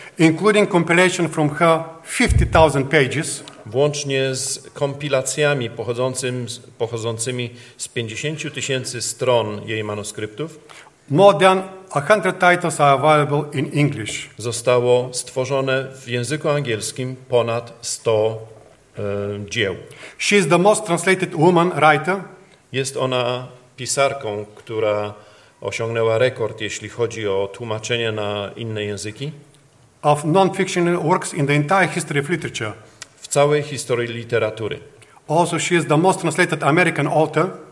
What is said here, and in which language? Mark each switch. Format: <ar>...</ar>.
<en>including compilation from her 50,000 pages,</en> <pl>włącznie z kompilacjami pochodzącymi z 50 tysięcy stron jej manuskryptów,</pl> <en>more than 100 titles are available in English.</en> <pl>Zostało stworzone w języku angielskim ponad 100 dzieł.</pl> <en>She is the most translated woman writer.</en> <pl>Jest ona pisarką, która osiągnęła rekord, jeśli chodzi o tłumaczenie na inne języki.</pl> <en>Of non-fictional works in the entire history of literature.</en> <pl>W całej historii literatury.</pl> <en>Also she is the most translated American author.</en>